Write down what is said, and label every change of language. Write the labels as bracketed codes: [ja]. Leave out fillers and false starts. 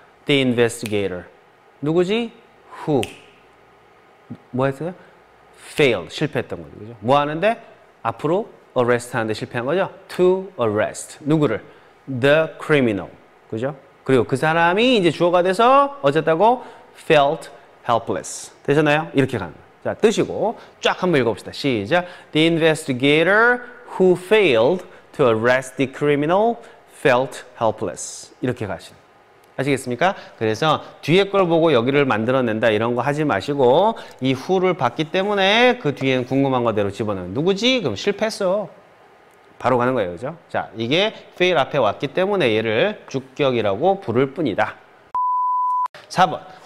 [en] The investigator. [ko] 누구지? Who. 뭐 했어요? Failed. 실패했던 거죠. 그죠? 뭐 하는데? 앞으로 arrest 하는데 실패한 거죠? [en] To arrest. [ko] 누구를? [en] The criminal. [ko] 그죠? 그리고 그 사람이 이제 주어가 돼서 어쨌다고? [en] Felt helpless. [ko] 되셨나요? 이렇게 가는 거예요. 자, 뜨시고 쫙 한번 읽어봅시다. 시작. [en] The investigator who failed to arrest the criminal felt helpless. [ko] 이렇게 가시는 거예요. 아시겠습니까? 그래서 뒤에 걸 보고 여기를 만들어낸다 이런 거 하지 마시고 이 후를 봤기 때문에 그 뒤엔 궁금한 거대로 집어넣는 거예요. 누구지? 그럼 실패했어. 바로 가는 거예요. 그죠? 자, 이게 fail 앞에 왔기 때문에 얘를 주격이라고 부를 뿐이다. 4번.